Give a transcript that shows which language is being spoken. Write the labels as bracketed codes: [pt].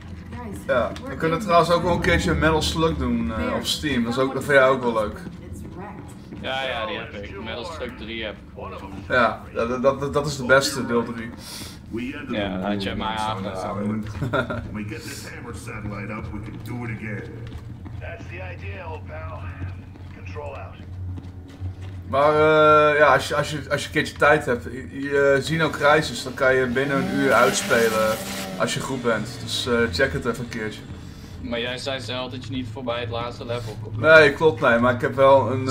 [nl] Guys, ja, we kunnen trouwens ook wel een keertje Metal Slug doen op Steam. Dat is ook, dat vind jij ook wel leuk. Ja, ja, die heb ik. Metal Slug 3 heb ik. Ja, dat is de beste, deel 3. Ja, dat had je mij aangehouden. [en] We get this hammer satellite up, we can do it again. That's the idea, old pal. Control out. [nl] Maar ja, als je een keertje tijd hebt, Xeno Crisis, dan kan je binnen een uur uitspelen als je goed bent. Dus check het even een keertje. Maar jij zei zelf dat je niet voorbij het laatste level komt. Nee, klopt, nee, maar ik heb wel een...